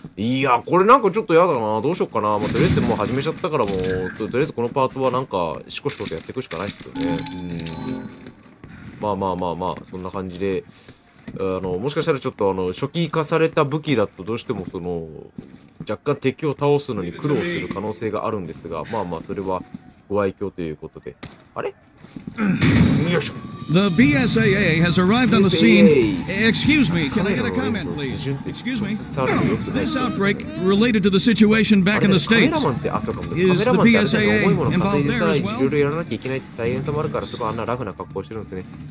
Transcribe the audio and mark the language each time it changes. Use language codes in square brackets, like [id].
[ja] いや、これなんかちょっとやだな、どうしようかな、とりあえずもう始めちゃったからもう、とりあえずこのパートはなんか、シコシコとやっていくしかないですよね。まあ、そんな感じで、もしかしたらちょっと初期化された武器だとどうしても若干敵を倒すのに苦労する可能性があるんですが、まあ、それはご愛嬌ということで。あれ？よいしょ。 [en] The BSAA has arrived on the scene. Excuse me, can I get a comment, please? Excuse me. This outbreak related to the situation back in the States. Is the BSAA involved there as well? [ja] いろいろやらなきゃいけない大変さもあるから、そこはあんなラフな格好してるんですね。